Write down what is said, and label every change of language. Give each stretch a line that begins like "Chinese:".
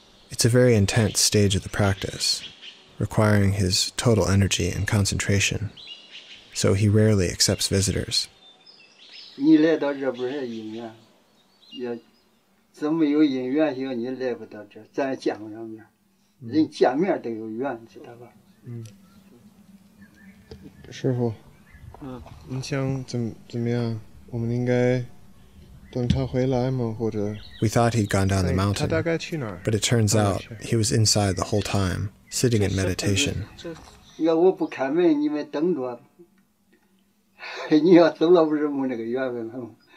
English: It's a very intense stage of the practice, requiring his total energy and concentration, so he rarely accepts visitors. You come to this place, yeah.
Chinese: 这没有因缘性，你来不到这，咱见不了面，人见面都有缘，知道吧？嗯。师傅，嗯，你想怎么样？我们应该等他回来吗？或者
English: ？We thought he'd gone down the mountain.
Chinese: 他大概去哪儿
English: ？But it turns out he was inside the whole time, sitting in meditation.
Chinese: 要我不开门，你们等着。你要走了，不是没那个缘分了吗？